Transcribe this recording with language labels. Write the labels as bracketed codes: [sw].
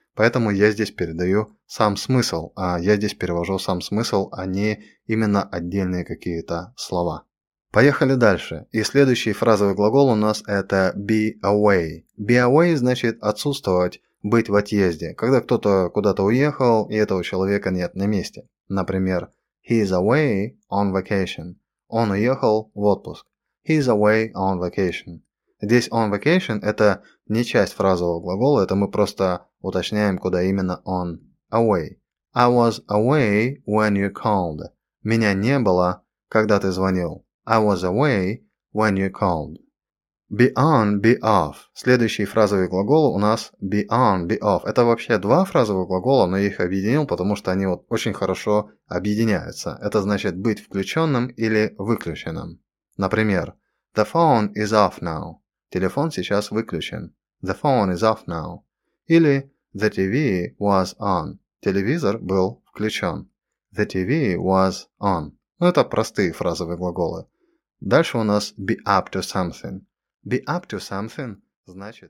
[ru] Поэтому я здесь передаю сам смысл, а я здесь перевожу сам смысл, а не именно отдельные какие-то слова. Поехали дальше. И следующий фразовый глагол у нас это be away. Be away значит отсутствовать, быть в отъезде, когда кто-то куда-то уехал и этого человека нет на месте. [en] Например, he is away on vacation. [ru] Он уехал в отпуск. [en] He is away on vacation. [ru] Здесь on vacation это не часть фразового глагола, это мы просто уточняем, куда именно он away. [en] I was away when you called. [ru] Меня не было, когда ты звонил. [en] I was away when you called. Be on, be off. [ru] Следующий фразовый глагол у нас be on, be off. Это вообще два фразовых глагола, но я их объединил, потому что они вот очень хорошо объединяются. Это значит быть включенным или выключенным. [en] Например, the phone is off now. [ru] Телефон сейчас выключен. [en] The phone is off now. Или the TV was on. [ru] Телевизор был включен. [en] The TV was on. [ru] Ну, это простые фразовые глаголы. Дальше у нас be up to something. Be up to something значит...